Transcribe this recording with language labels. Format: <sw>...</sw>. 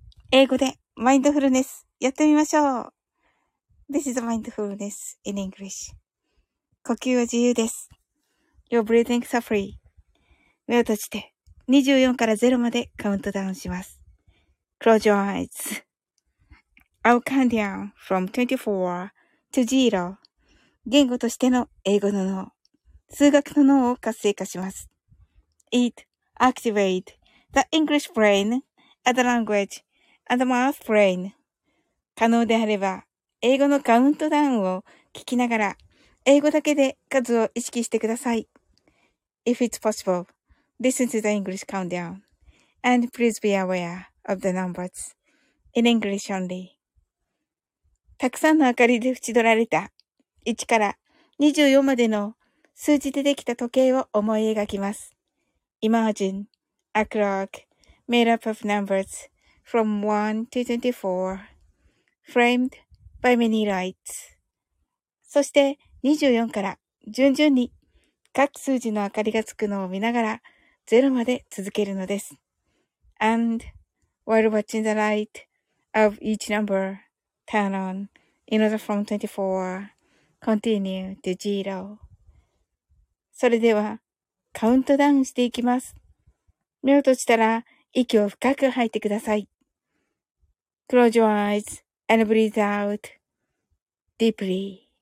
<ja>英語でマインドフルネスやってみましょう。</ja> <en>This is mindfulness in English.</en> <ja>呼吸は自由です。</ja> <en>Your breathings are free.</en> <ja>目を閉じて24から0までカウントダウンします。</ja> <en>Close your eyes.I'll count down from 24 to 0.</en> <ja>言語としての英語の脳、数学の脳を活性化します。</ja> <en>Eat. Activate the English brain and the language and the mouth brain.</en> <ja>可能であれば、英語のカウントダウンを聞きながら、英語だけで数を意識してください。</ja> <en>If it's possible, listen to the English countdown. And please be aware of the numbers in English only.</en> <ja>たくさんの明かりで縁取られた1から24までの数字でできた時計を思い描きます。</ja> <en>Imagine a clock made up of numbers from 1 to 24, framed by many lights.</en> <ja>そして24から順々に各数字の明かりがつくのを見ながら0まで続けるのです。</ja> <en>And while watching the light of each number turn on in order from 24, continue to 0.</en> <ja>それではカウントダウンしていきます。目を閉じたら息を深く吐いてください。</ja> <en>Close your eyes and breathe out deeply.</en>